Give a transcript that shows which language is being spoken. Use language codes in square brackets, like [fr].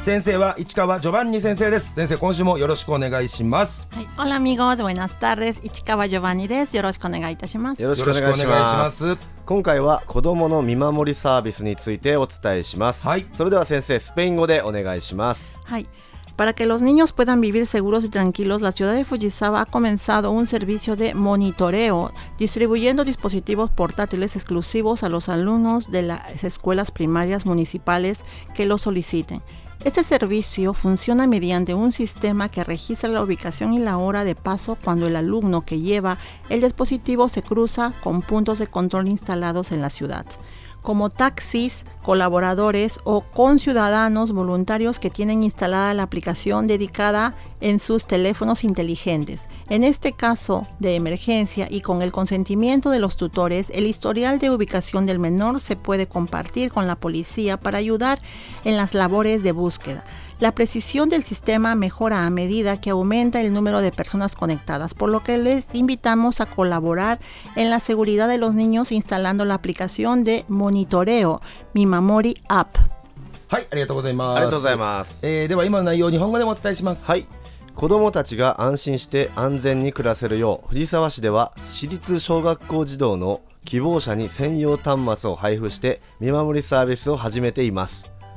[ja] 先生は市川ジョバンニ先生です。先生、今週もよろしくお願いします。はい、 [es] オラミゴーズ、ボイナスタール [ja] です。市川ジョバンニです。よろしくお願いいたします。よろしくお願いします。今回は子どもの見守りサービスについてお伝えします。はい、それでは先生、スペイン語でお願いします。はい。 [es] Para que los niños puedan vivir seguros y tranquilos, la ciudad de Fujisawa ha comenzado un servicio de monitoreo distribuyendo dispositivos portátiles exclusivos a los alumnos de las escuelas primarias municipales que lo soliciten. Este servicio funciona mediante un sistema que registra la ubicación y la hora de paso cuando el alumno que lleva el dispositivo se cruza con puntos de control instalados en la ciudad. Como taxis, colaboradores o conciudadanos voluntarios que tienen instalada la aplicación dedicada en sus teléfonos inteligentes. En este caso de emergencia y con el consentimiento de los tutores, el historial de ubicación del menor se puede compartir con la policía para ayudar en las labores de búsqueda. La precisión del sistema mejora a medida que aumenta el número de personas conectadas, por lo que les invitamos a colaborar en la seguridad de los niños instalando la aplicación de monitoreo Mi Mamori App. [ja] はい、ありがとうございます。ありがとうございます。では今の内容を日本語でもお伝えします。はい。子どもたちが安心して安全に暮らせるよう、藤沢市では市立小学校児童の希望者に専用端末を配布して見守りサービスを始めています。